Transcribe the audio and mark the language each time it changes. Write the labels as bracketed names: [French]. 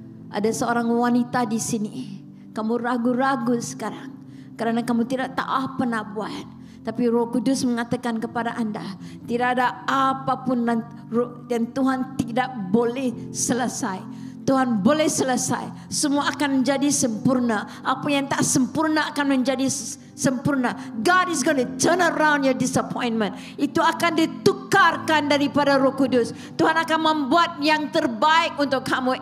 [Malay] Ada seorang wanita di sini. Kamu ragu-ragu sekarang kerana kamu tidak tahu apa nak buat. Tapi Roh Kudus mengatakan kepada anda, tidak ada apapun dan Tuhan tidak boleh selesai. Tuhan boleh selesai. Semua akan menjadi sempurna. Apa yang tak sempurna akan menjadi sempurna. [English] God is going to turn around your disappointment. [Malay] Itu akan ditukarkan daripada Roh Kudus. Tuhan akan membuat yang terbaik untuk kamu.